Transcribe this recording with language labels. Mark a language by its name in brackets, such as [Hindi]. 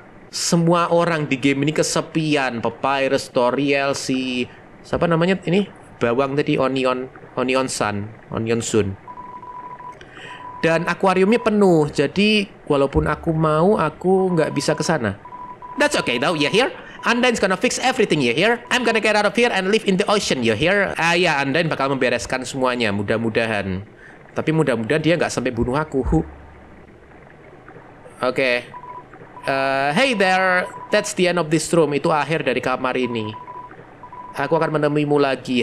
[Indonesian] Semua orang di game ini kesepian. Papyrus, Toriel, si... Siapa namanya ini? Bawang tadi, Onion. Onion Sun. Onion Sun. Dan akuariumnya penuh. Jadi, walaupun aku mau, aku nggak bisa ke sana. [English] That's okay, though. You hear? Undyne's gonna fix everything, you hear? I'm gonna get out of here and live in the ocean, you hear? [Indonesian] Ya, Undyne bakal membereskan semuanya, mudah-mudahan. Tapi mudah-mudahan dia nggak sampai bunuh aku. Oke. [English] Hey there, that's the end of this room. [Indonesian] Itu akhir dari kamar ini. Aku akan menemuimu lagi.